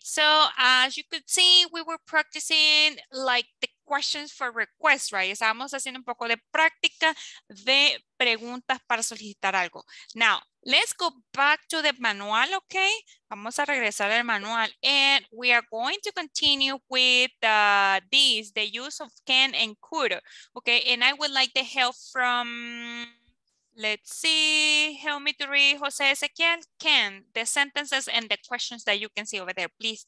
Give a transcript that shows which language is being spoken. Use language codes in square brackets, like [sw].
[en] So as you could see, we were practicing like the questions for requests, right? [es] Estábamos haciendo un poco de práctica de preguntas para solicitar algo. [en] Now, let's go back to the manual, okay? [es] Vamos a regresar al manual. [en] And we are going to continue with the use of can and could, okay? And I would like the help from, let's see, help me to read, Jose Ezequiel, can, the sentences and the questions that you can see over there, please.